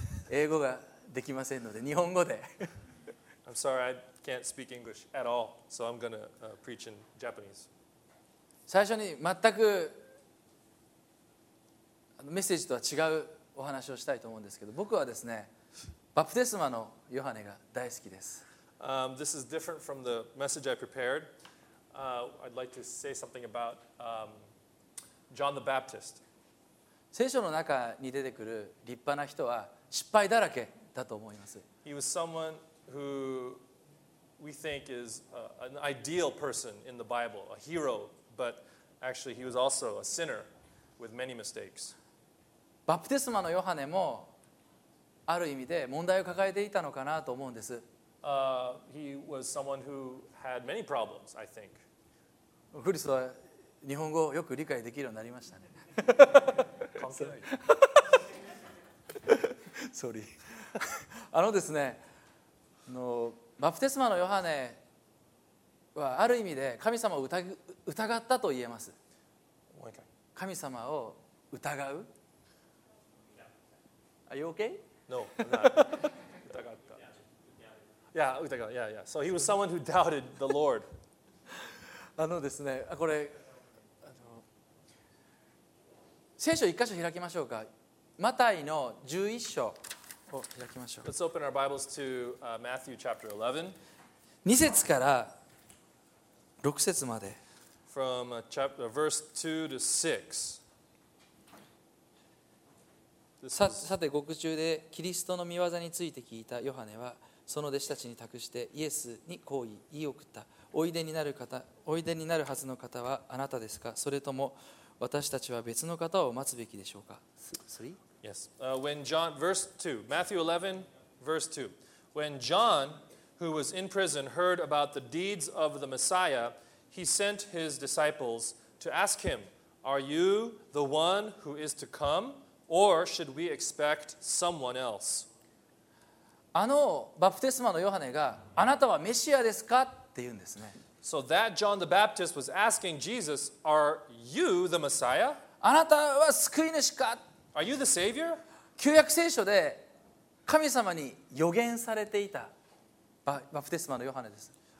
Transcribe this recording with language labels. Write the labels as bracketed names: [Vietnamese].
[Japanese] 英語ができませんので、日本語で。 [English] I'm sorry, I can't speak English at all, so I'm going to preach in Japanese. [Japanese] 最初に全くメッセージとは違うお話をしたいと思うんですけど、僕はですね、バプテスマのヨハネが大好きです。 [English] This is different from the message I prepared. I'd like to say something about John the Baptist. [Japanese] 聖書の中に出てくる立派な人は失敗だらけだと思います。 [English] He was someone who we think is an ideal person in the Bible, a hero, but actually he was also a sinner with many mistakes. [Japanese] バプテスマのヨハネもある意味で問題を抱えていたのかなと思うんです。 [English] He was someone who had many problems, I think. [Japanese] クリスは日本語をよく理解できるようになりましたね。 [English] Sorry. [Japanese] ですね、バプテスマのヨハネはある意味で神様を疑ったと言えます。神様を疑う。 [English] Are you okay? No, I'm not. [Japanese] 疑った。 [English] Yeah. So he was someone who doubted the Lord. [Japanese] ですね、これ。聖書一箇所開きましょうか。マタイの11章を開きましょう。 [English] Let's open our Bibles to Matthew chapter 11. [Japanese] 2節から6節まで。 [English] From verse 2 to 6. [Japanese] さて、獄中でキリストの御業について聞いたヨハネは、その弟子たちに託してイエスにこう言い送った。おいでになるはずの方はあなたですか？それとも私たちは別の方を待つべきでしょうか。 [English] Yes. When John, verse 2, Matthew 11, verse 2. When John, who was in prison, heard about the deeds of the Messiah, he sent his disciples to ask him, Are you the one who is to come, or should we expect someone else? [Japanese] バプテスマのヨハネがあなたはメシアですかって言うんですね。 [English] So that John the Baptist was asking Jesus, Are you the Messiah? [Japanese] あなたは救い主か? [English] Are you the Savior? [Japanese] 旧約聖書で神様に予言されていたバプテスマのヨハネです。